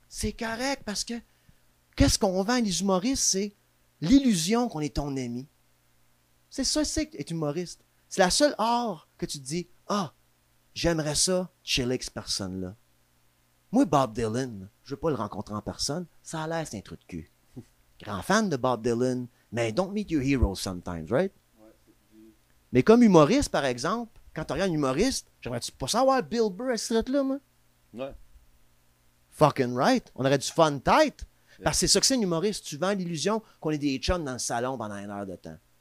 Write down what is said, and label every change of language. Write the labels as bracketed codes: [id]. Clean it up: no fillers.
[fr] C'est correct, parce que qu'est-ce qu'on vend à les humoristes, c'est l'illusion qu'on est ton ami. C'est ça, c'est être humoriste. C'est la seule art que tu te dis, j'aimerais ça chiller avec cette personne-là. Moi, Bob Dylan, je veux pas le rencontrer en personne, ça a l'air, c'est un trou de cul. Grand fan de Bob Dylan, mais [en] don't meet your heroes sometimes, right? [fr] Ouais, mais comme humoriste, par exemple, quand t'as rien humoriste, j'aimerais-tu pas savoir Bill Burr à ce trait-là, moi? Ouais. [en] Fucking right. [fr] On aurait du fun tight. [en] Yeah. [fr] Parce que c'est ça que c'est un humoriste. Tu vends l'illusion qu'on est des chums dans le salon pendant une heure de temps.